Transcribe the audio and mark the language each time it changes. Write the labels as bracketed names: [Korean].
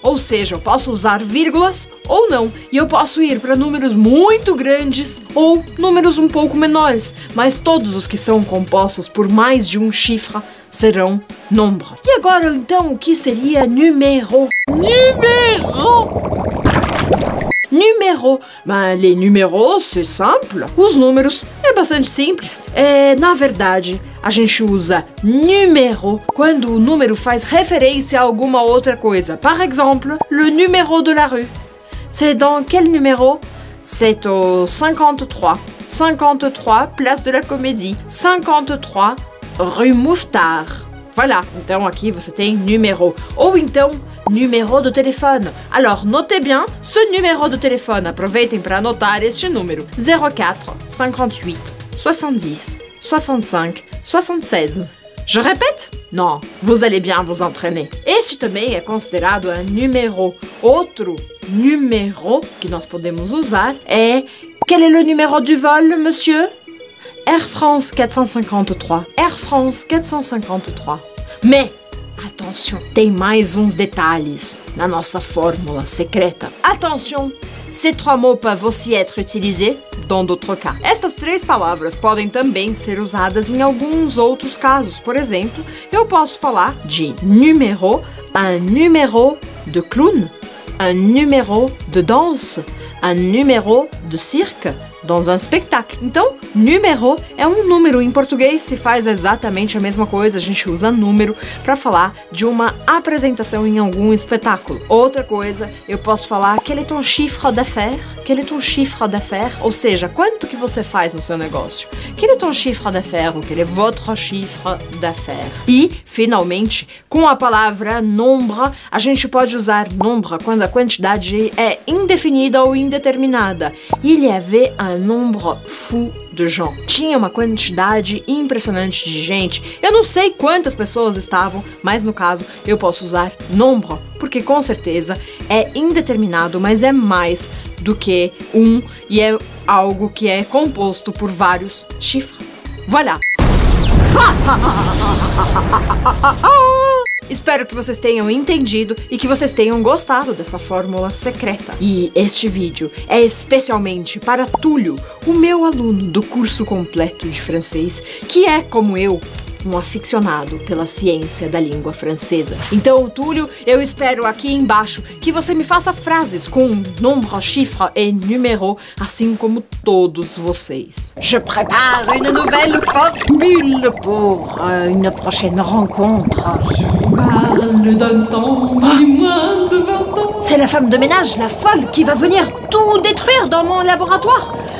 [Portuguese] Ou seja, eu posso usar vírgulas ou não. E eu posso ir para números muito grandes ou números um pouco menores. Mas todos os que são compostos por mais de um chifre serão nombre. E agora, então, o que seria número? Número! Número. [French] Mas les numéros, c'est simple. [Portuguese] Os números é bastante simples. É, na verdade, a gente usa número quando o número faz referência a alguma outra coisa. Por exemplo, [French] le numéro de la rue. C'est dans quel numéro? C'est au 53. 53, place de la Comédie. 53, rue Mouffetard. [Portuguese] Voilà, então aqui você tem número. Ou então, número de telefone. [French] Alors, notez bien ce numéro de telefone. [Portuguese] Aproveitem para anotar este número. [French] 04 58 70 65 76. Je répète? Non, vous allez bien vous entraîner. [Portuguese] Este também é considerado um número. Outro número que nós podemos usar é... [French] Quel est le numéro du vol, monsieur? Air France 453. Air France 453. Mais, attention, [Portuguese] tem mais uns detalhes na nossa fórmula secreta. [French] Attention, ces trois mots peuvent aussi être utilisés dans d'autres cas. [Portuguese] Essas três palavras podem também ser usadas em alguns outros casos. Por exemplo, eu posso falar de numéro, [French] un numéro de clown, un numéro de danse, un numéro de cirque. Dans un spectacle. [Portuguese] Então, número é um número. Em português se faz exatamente a mesma coisa. A gente usa número para falar de uma apresentação em algum espetáculo. Outra coisa, eu posso falar [French] quel est ton chiffre d'affaires? Quel est ton chiffre d'affaires? [Portuguese] Ou seja, quanto que você faz no seu negócio? [French] Quel est ton chiffre d'affaires? Quel est votre chiffre d'affaires? [Portuguese] E, finalmente, com a palavra nombre, a gente pode usar nombre quando a quantidade é indefinida ou indeterminada. [French] Il y avait un nombre fou de gens. [Portuguese] Tinha uma quantidade impressionante de gente. Eu não sei quantas pessoas estavam, mas no caso eu posso usar nombre, porque com certeza é indeterminado, mas é mais do que um e é algo que é composto por vários chifres. [French] Voilà! [Portuguese] Espero que vocês tenham entendido e que vocês tenham gostado dessa fórmula secreta. E este vídeo é especialmente para Túlio, o meu aluno do curso completo de francês, que é, como eu, um aficionado pela ciência da língua francesa. Então, Túlio, eu espero aqui embaixo que você me faça frases com nombre, chiffre e numéro, assim como todos vocês. [French] Je prépare une nouvelle formule pour une prochaine rencontre. Je parle d'un temps de moins de 20 ans. C'est la femme de ménage, la folle, qui va venir tout détruire dans mon laboratoire.